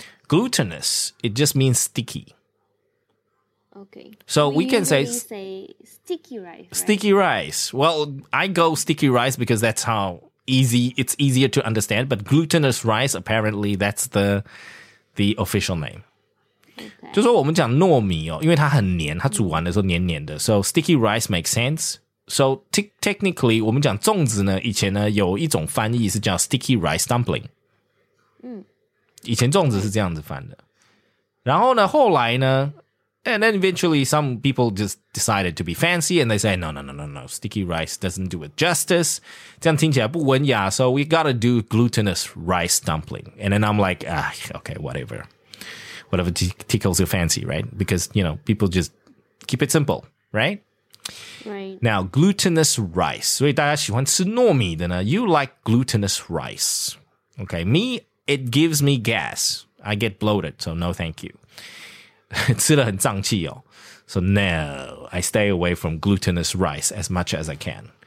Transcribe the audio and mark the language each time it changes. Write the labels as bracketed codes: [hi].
[en] Glutinous, it just means sticky. Okay. So we can say sticky rice. Right? Sticky rice. Well, I go sticky rice because that's how easy, it's easier to understand. But glutinous rice, apparently that's the official name. Okay. [zh] 就是说我们讲糯米哦，因为它很黏，它煮完的时候黏黏的。 [en] So sticky rice makes sense. So technically, [zh] 我们讲粽子呢，以前呢有一种翻译是叫 sticky rice dumpling. 以前粽子是这样子翻的。然后呢，后来呢 [en] ，and then eventually some people just decided to be fancy and they say no, sticky rice doesn't do it justice. [zh] 这样听起来不文雅。 [en] So we gotta do glutinous rice dumpling. And then I'm like, okay, whatever. Whatever tickles your fancy, right? Because, you know, people just keep it simple, right? Right. Now, glutinous rice. [zh] 所以大家喜欢吃糯米的呢? [en] You like glutinous rice. Okay, me, it gives me gas. I get bloated, so no thank you. [zh] 吃得很胀气哦。 [en] So no, I stay away from glutinous rice as much as I can.